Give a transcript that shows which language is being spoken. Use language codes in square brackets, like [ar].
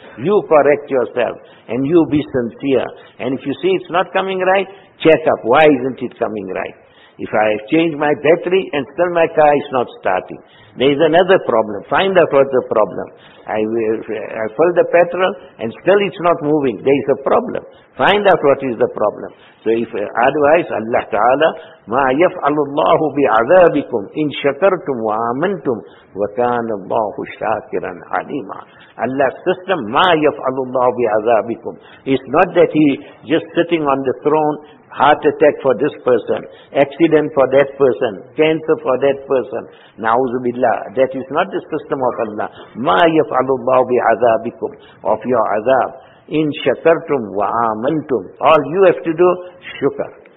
[en] You correct yourself and you be sincere. And if you see it's not coming right, check up. Why isn't it coming right? If I have changed my battery and still my car is not starting, there is another problem. Find out what's the problem. I fill the petrol and still it's not moving. There is a problem. Find out what is the problem. So if otherwise, [ar] Allah Ta'ala, مَا يَفْعَلُ اللَّهُ بِعَذَابِكُمْ إِن شَكَرْتُمْ وَآمَنْتُمْ وَكَانَ اللَّهُ شَاكِرًا عَلِيمًا. [en] Allah's system, [ar] مَا يَفْعَلُ اللَّهُ بِعَذَابِكُمْ. [en] It's not that he just sitting on the throne, heart attack for this person, accident for that person, cancer for that person. Na'udhu billah. That is not the system of Allah. [ar] مَا يَفْعَلُ اللَّهُ بِعَذَابِكُمْ. [en] Of your azab. [ar] In shakartum wa amantum. [en] All you have to do, shukr.